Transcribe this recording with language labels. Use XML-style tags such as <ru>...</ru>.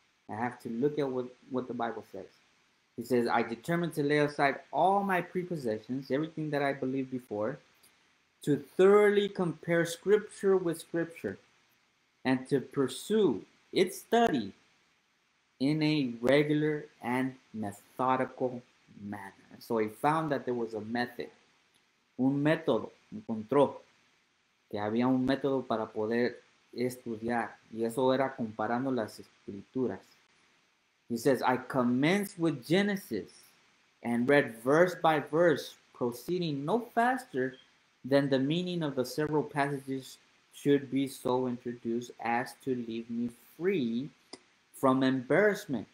<en>I have to look at what the Bible says. He says, I determined to lay aside all my prepossessions, everything that I believed before, to thoroughly compare scripture with scripture and to pursue its study in a regular and methodical manner. So he found that there was a method,</en> <es>un método, encontró. Que había un método para poder estudiar, y eso era comparando las escrituras.</es> <en>He says, I commenced with Genesis and read verse by verse, proceeding no faster than the meaning of the several passages should be so introduced as to leave me free from embarrassment.</en>